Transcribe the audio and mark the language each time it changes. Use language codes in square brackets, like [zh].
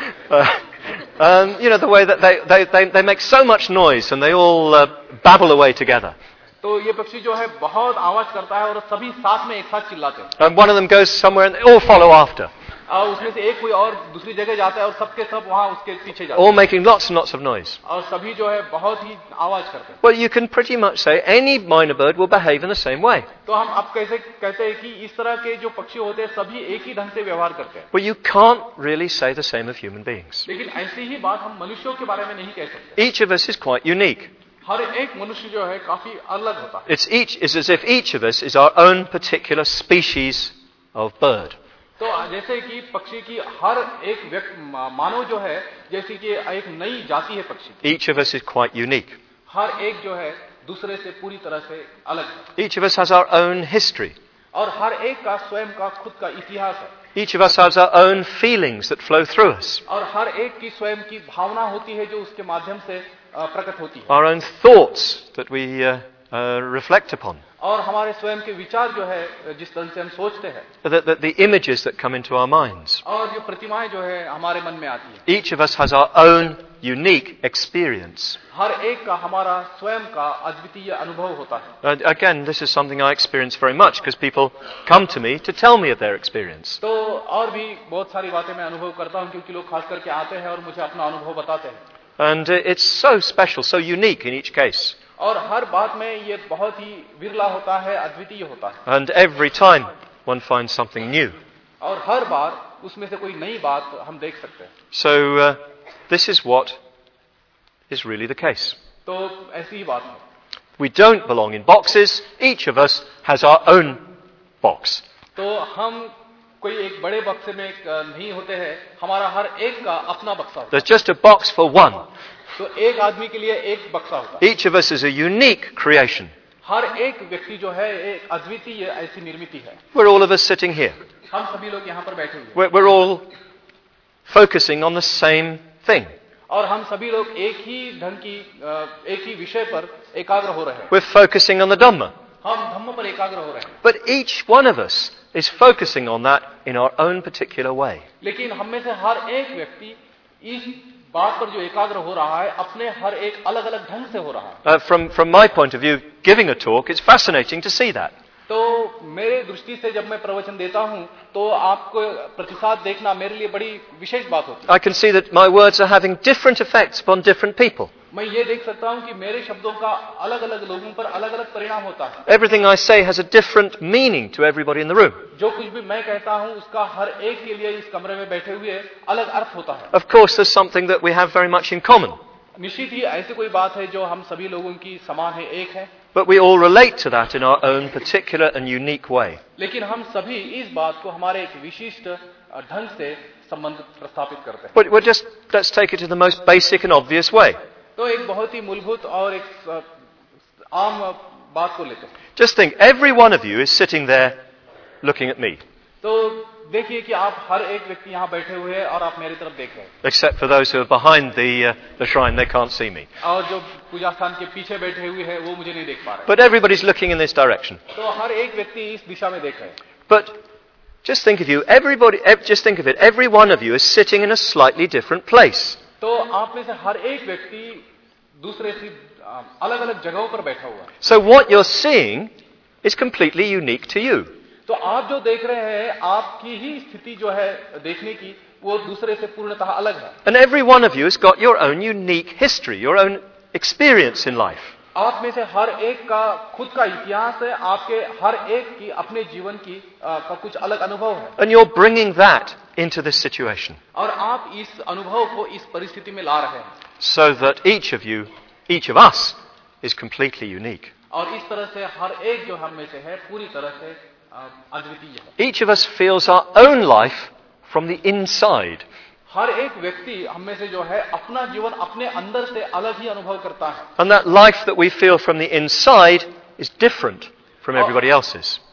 [en] You know the way that they make so much noise and they all babble away together. [hi] तो ये पक्षी जो है बहुत आवाज करता है और सभी साथ में एक साथ चिल्लाते हैं. [en] And one of them goes somewhere and they all follow after. [hi] उसमें से एक कोई और दूसरी जगह जाता है और सबके सब वहाँ उसके पीछे जाते. [en] All making lots and lots of noise. [hi] और सभी जो है बहुत ही आवाज करते हैं. [en] Well, you can pretty much say any minor bird will behave in the same way. [hi] तो हम आप कैसे कहते हैं कि इस तरह के जो पक्षी होते हैं सभी एक ही ढंग से व्यवहार करते हैं. [en] But you can't really say the same of human beings. [hi] लेकिन ऐसी ही बात हम मनुष्यों के बारे में नहीं कह सकते. [en] Each of us is quite unique. It's as if each of us is our own particular species of bird. [hi] तो जैसे कि पक्षी की हर एक मानव जो है जैसे कि एक नई जाति है पक्षी की. [en] Each of us is quite unique. [hi] हर एक जो है दूसरे से पूरी तरह से अलग है. [en] Each of us has our own history. [hi] और हर एक का स्वयं का खुद का इतिहास है. [en] Each of us has our own feelings that flow through us. [hi] और हर एक की स्वयं की भावना होती है जो उसके माध्यम से प्रकट होती है. [en] Our own thoughts that we reflect upon. [hi] और हमारे स्वयं के विचार जो है जिस तरह से हम सोचते हैं. [en] The images that come into our minds. [hi] और जो प्रतिमाएं जो है हमारे मन में आती है. [en] Each of us has our own unique experience. [hi] हर एक का हमारा स्वयं का अद्वितीय अनुभव होता है. [en] Again, this is something I experience very much because people come to me to tell me of their experience. [hi] तो और भी बहुत सारी बातें मैं अनुभव करता हूँ क्योंकि लोग खास करके आते हैं और मुझे अपना अनुभव बताते हैं. [en] And it's so special, so unique in each case. [hi] और हर बात में ये बहुत ही विरला होता है, अद्वितीय होता है. [en] And every time one finds something new. [hi] और हर बार उसमें से कोई नई बात हम देख सकते हैं. [en] So this is what is really the case. [hi] तो ऐसी ही बात है. [en] We don't belong in boxes. Each of us has our own box. [hi] तो हम कोई एक बड़े बक्से में नहीं होते हैं. हमारा हर एक का अपना बक्सा होता है. [en] There's just a box for one. [hi] तो एक आदमी के लिए एक बक्सा होता है. [en] Each of us is a unique creation. [hi] हर एक व्यक्ति जो है एक अद्वितीय ऐसी निर्मिति है. [en] We're all of us sitting here. [hi] हम सभी लोग यहाँ पर बैठे हुए. [en] We're all focusing on the same thing. [hi] और हम सभी लोग एक ही ढंग की एक ही विषय पर एकाग्र हो रहे हैं. [en] We're focusing on the Dhamma. [hi] हम धम्म पर एकाग्र हो रहे हैं. [en] But each one of us is focusing on that in our own particular way. [hi] लेकिन हम में से हर एक व्यक्ति इस बात पर जो एकाग्र हो रहा है अपने हर एक अलग अलग ढंग से हो रहा है. [en] From my point of view, giving a talk, it's fascinating to see that. [hi] तो मेरे दृष्टि से जब मैं प्रवचन देता हूँ तो आपको प्रतिसाद देखना मेरे लिए बड़ी विशेष बात होती है. [en] I can see that my words are having different effects upon different people. [hi] मैं ये देख सकता हूँ कि मेरे शब्दों का अलग अलग लोगों पर अलग अलग परिणाम होता है. [en] Everything I say has a different meaning to everybody in the room. [hi] जो कुछ भी मैं कहता हूँ उसका हर एक के लिए इस कमरे में बैठे हुए अलग अर्थ होता है. [en] Of course, there's something that we have very much in common. [hi] निश्चित ही ऐसी कोई बात है जो हम सभी लोगों की समान है, एक है. [en] But we all relate to that in our own particular and unique way. [hi] लेकिन हम सभी इस बात को हमारे एक विशिष्ट ढंग से संबंध प्रस्थापित करते हैं. [en] But we're just, let's take it in the most basic and obvious way. [hi] तो एक बहुत ही मूलभूत और एक आम बात को लेते हैं. [en] Just think, every one of you is sitting there looking at me. [hi] तो देखिए कि आप हर एक व्यक्ति यहाँ बैठे हुए हैं और आप मेरी तरफ देख रहे हैं. [en] Except for those who are behind the shrine, they can't see me. [hi] और जो पूजा स्थान के पीछे बैठे हुए हैं वो मुझे नहीं देख पा रहे. [en] But everybody's looking in this direction. [hi] तो हर एक व्यक्ति इस दिशा में देख रहे हैं. [en] But just think of you, everybody, just think of it, every one of you is sitting in a slightly different place. [hi] तो आप में से हर एक व्यक्ति दूसरे से अलग अलग जगहों पर बैठा हुआ. [en] So what you're seeing is completely unique to you. [hi] तो आप जो देख रहे हैं आपकी ही स्थिति जो है देखने की वो दूसरे से पूर्णतः अलग है. [en] And every one of you has got your own unique history, your own experience in life. [hi] आप में से हर एक का खुद का इतिहास है, आपके हर एक की अपने जीवन की का कुछ अलग अनुभव है. [en] And you're bringing that into this situation. [hi] और आप इस अनुभव को इस परिस्थिति में ला रहे हैं. [en] So that each of you, each of us, is completely unique. [hi] और इस तरह से हर एक जो हम में से है पूरी तरह से अद्वितीय है. [en] Each of us feels our own life from the inside. [hi] हर एक व्यक्ति हम में से जो है अपना जीवन अपने अंदर से अलग ही अनुभव करता है. [en] And that life that we feel from the inside is different from everybody else's.